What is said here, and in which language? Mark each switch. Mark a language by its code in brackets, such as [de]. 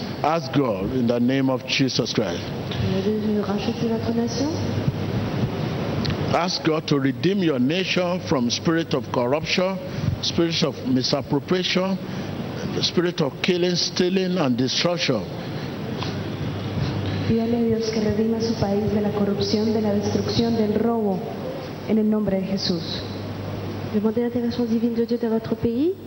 [en] Ask God in the name of Jesus Christ. Ask God to redeem your nation from spirit of corruption, spirit of misappropriation, spirit of killing, stealing, and destruction. [es] Pídale a Dios que redima su país de la corrupción, de la destrucción, del robo, en el nombre de Jesús. [fr] Demandez l'intervention divine de Dieu dans votre pays.